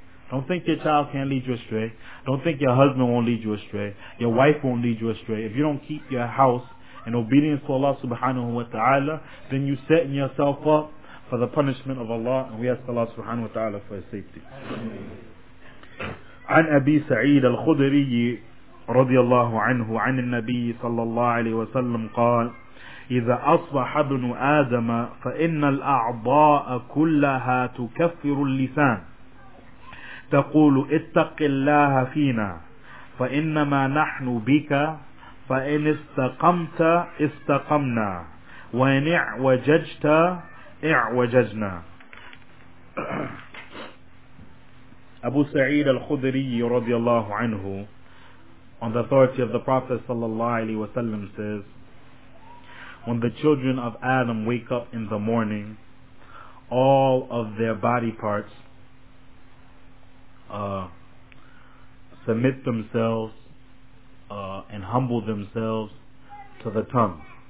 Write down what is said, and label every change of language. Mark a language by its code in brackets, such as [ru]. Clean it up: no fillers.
[en] Don't think your child can't lead you astray. Don't think your husband won't lead you astray. Your wife won't lead you astray. If you don't keep your house in obedience to Allah subhanahu wa ta'ala, then you're setting yourself up for the punishment of Allah. And we ask Allah subhanahu wa ta'ala for his safety. [ar] عن أبي سعيد الخدري رضي الله عنه عن النبي صلى الله عليه وسلم قال إذا أصبح ابن آدم فإن الأعضاء كلها تكفر اللسان تقول اتق الله فينا فإنما نحن بك فإن استقمت استقمنا وإن اعوججت اعوججنا. [en] أبو سعيد الخدري رضي الله عنه, on the authority of the Prophet sallallahu alaihi wasallam, says, when the children of Adam wake up in the morning, all of their body parts submit themselves and humble themselves to the tongue.